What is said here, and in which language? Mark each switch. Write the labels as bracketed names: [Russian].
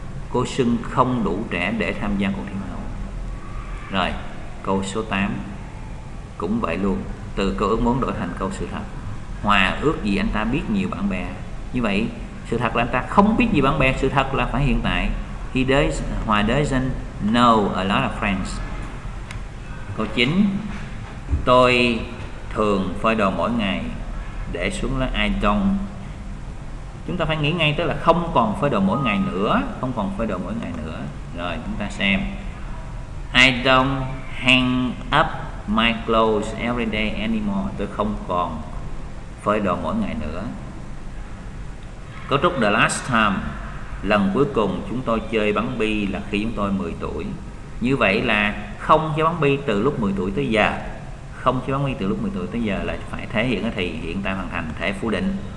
[Vietnamese] Cô Xuân không đủ trẻ để tham gia cuộc thi hoa hậu. Rồi câu số 8 cũng vậy luôn, từ câu ước muốn đổi thành câu sự thật. Hòa ước gì anh ta biết nhiều bạn bè. Như vậy sự thật là anh ta không biết gì bạn bè, sự thật là phải hiện tại. [English] He does, Hòa doesn't know a lot of friends. [Vietnamese] Câu 9. Tôi thường phơi đồ mỗi ngày để xuống là [English] I don't. [Vietnamese] Chúng ta phải nghĩ ngay tới là không còn phơi đồ mỗi ngày nữa, không còn phơi đồ mỗi ngày nữa. Rồi chúng ta xem. [English] I don't hang up my clothes every day anymore. [Vietnamese] Tôi không còn phơi đồ mỗi ngày nữa. Cấu trúc the last time, lần cuối cùng chúng tôi chơi bắn bi là khi chúng tôi 10 tuổi. Như vậy là không chơi bắn bi từ lúc 10 tuổi tới giờ. Không chơi bắn bi từ lúc 10 tuổi tới giờ là phải thể hiện thì hiện tại hoàn thành, thể phủ định.